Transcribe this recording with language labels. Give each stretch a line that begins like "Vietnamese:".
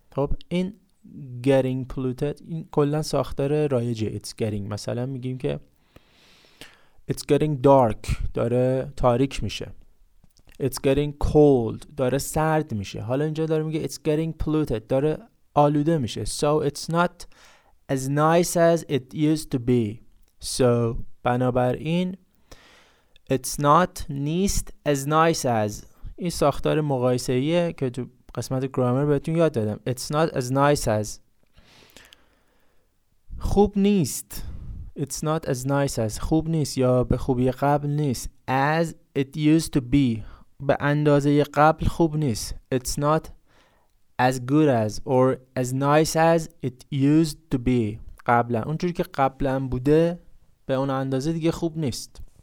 Persian: خب این getting polluted این کلن ساختار رایجه
English: It's getting.
Persian: مثلا میگیم که
English: It's getting dark،
Persian: داره تاریک میشه.
English: It's getting cold،
Persian: داره سرد میشه. حالا اینجا داره میگه
English: It's getting polluted،
Persian: داره آلوده میشه.
English: So it's not as nice as it used to be.
Persian: So بنابراین
English: it's not
Persian: نیست
English: as nice as،
Persian: این ساختار مقایسه‌ایه که تو قسمت گرامر بهتون یاد دادم.
English: It's not as nice as،
Persian: خوب نیست.
English: It's not as nice as،
Persian: خوب نیست یا به خوبی قبل نیست.
English: As it used to be،
Persian: به اندازه قبل خوب نیست.
English: It's not as good as or as nice as it used to be.
Persian: قبلا اونجوری که قبلا بوده به اون اندازه دیگه خوب نیست.